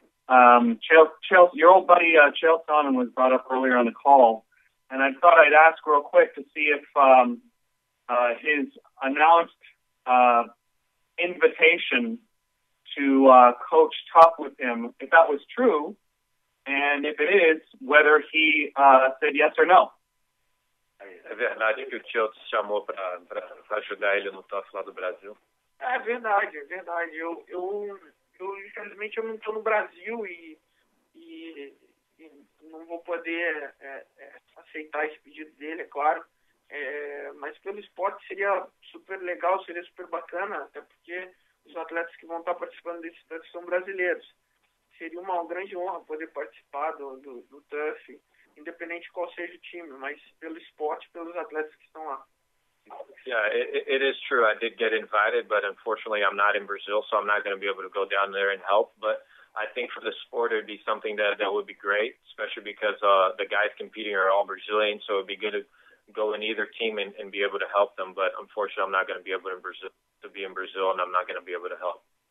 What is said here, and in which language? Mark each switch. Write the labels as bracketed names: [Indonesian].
[English] Chael, your old buddy Chael Sonnen was brought up earlier on the call, and I thought I'd ask real quick to see if his announced invitation to coach tough with him, if that was true, and if it is, whether he said yes or no. [Portuguese] É verdade que o Chael te chamou para ajudar ele no tough lá do Brasil? É verdade. Eu infelizmente, eu não estou no Brasil e não vou poder aceitar esse pedido dele, é claro. É, mas pelo esporte seria super legal, seria super bacana, até porque os atletas que vão estar participando desse TUF são brasileiros. Seria uma grande honra poder participar do TUF, independente de qual seja o time, mas pelo esporte, pelos atletas que estão lá. [English] Yeah, it is true. I did get invited, but unfortunately I'm not in Brazil, so I'm not going to be able to go down there and help. But I think for the sport, it would be something that would be great, especially because the guys competing are all Brazilian, so it would be good to go in either team and be able to help them. But unfortunately, I'm not going to be able to be in Brazil, and I'm not going to be able to help.